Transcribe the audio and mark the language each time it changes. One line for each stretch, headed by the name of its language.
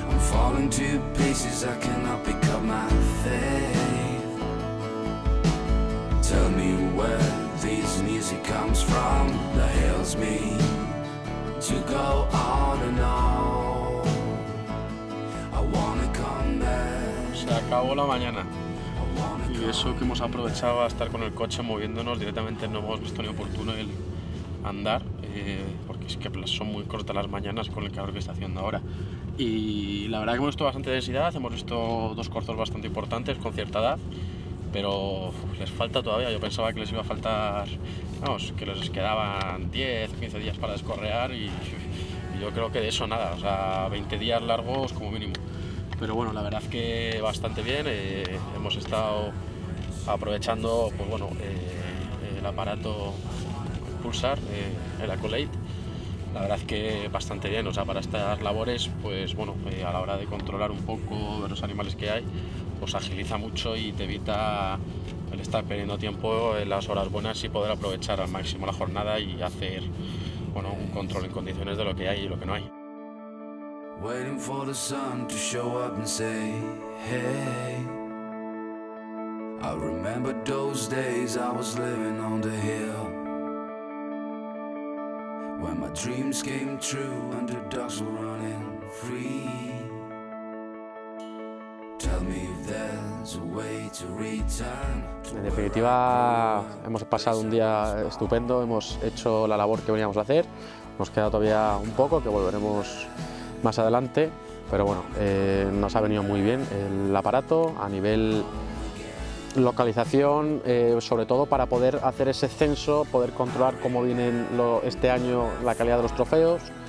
English: Falling to pieces, I cannot pick up my faith. Tell me where this music comes from that heals me to go on and on. I wanna come back.
Spanish: Se acabó la mañana. Y eso que hemos aprovechado a estar con el coche moviéndonos, directamente no hemos visto ni oportuno el andar, porque es que son muy cortas las mañanas con el calor que está haciendo ahora. Y la verdad que hemos visto bastante densidad, hemos visto dos corzos bastante importantes con cierta edad, pero les falta todavía. Yo pensaba que les iba a faltar, vamos, que les quedaban 10, 15 días para descorrear y yo creo que de eso nada, o sea, 20 días largos como mínimo. Pero bueno, la verdad que bastante bien, hemos estado aprovechando, pues bueno, el aparato Pulsar, el Accolade. La verdad es que bastante bien, o sea, para estas labores, pues bueno, a la hora de controlar un poco de los animales que hay, pues agiliza mucho y te evita el estar perdiendo tiempo en las horas buenas y poder aprovechar al máximo la jornada y hacer, bueno, un control en condiciones de lo que hay y lo que no hay.
English: Waiting for the sun to show up and say, hey, I remember those days I was living on the hill. When my dreams came true and the dogs were running free. Tell me if there's a way to return.
Spanish: En definitiva, hemos pasado un día estupendo, hemos hecho la labor que veníamos a hacer. Nos queda todavía un poco, que volveremos más adelante. Pero bueno, nos ha venido muy bien el aparato a nivel localización, sobre todo para poder hacer ese censo, poder controlar cómo vienen este año la calidad de los trofeos.